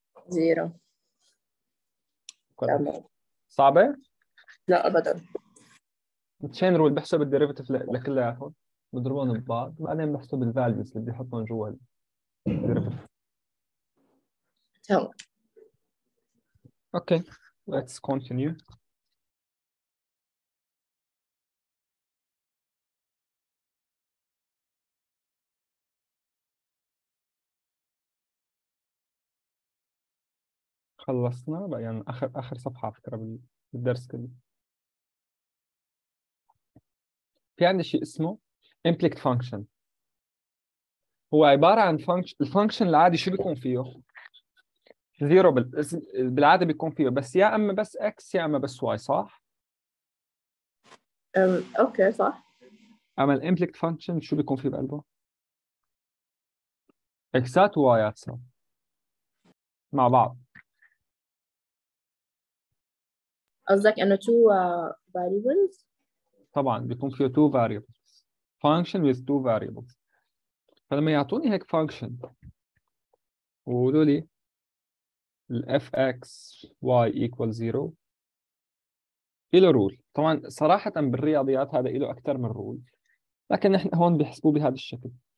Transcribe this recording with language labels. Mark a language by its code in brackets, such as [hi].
[en] Zero. [ar] صعبة؟ لا أبدا. التشين رول بحسب الديريفيتيف لكل ياخذ بضربهم ببعض، بعدين بحسب الفاليوز اللي بدي احطهم جوا الديريفيتيف. تمام. [en] Okay, let's continue. [ar] خلصنا بقى يعني آخر صفحة فكرة بالدرس كله. في عندي شيء اسمه implicit function، هو عبارة عن function. الفانكشن العادي شو بيكون فيه؟ زيرو بالعادة بيكون فيه، بس يا أما بس x يا أما بس y، صح؟ اوكي صح. أما ال implicit function شو بيكون فيه بقلبه؟ x-at y-at مع بعض. قصدك انه two variables؟ طبعا بيكون فيه two variables، [en] function with two variables. [ar] فلما يعطوني هيك function وقولوا لي ال fx y equal zero إله رول. طبعا صراحة بالرياضيات هذا إله أكثر من رول، لكن نحن هون بيحسبوه بهذا الشكل.